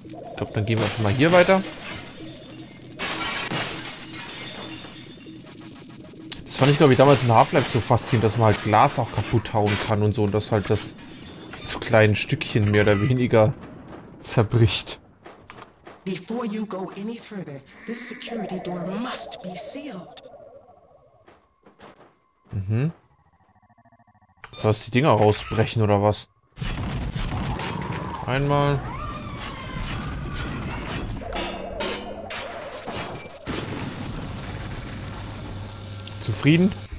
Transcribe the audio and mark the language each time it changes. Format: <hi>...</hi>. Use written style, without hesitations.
<de>Ich glaube, dann gehen wir einfach mal hier weiter. Das fand ich, glaube ich, damals in Half-Life so faszinierend, dass man halt Glas auch kaputt hauen kann und so. Und dass halt das so kleinen Stückchen mehr oder weniger zerbricht.</de> <en>Before you go any further, this security door must be sealed. Mhm.</en> <de>Sollst du die Dinger rausbrechen oder was? Einmal. Zufrieden?</de>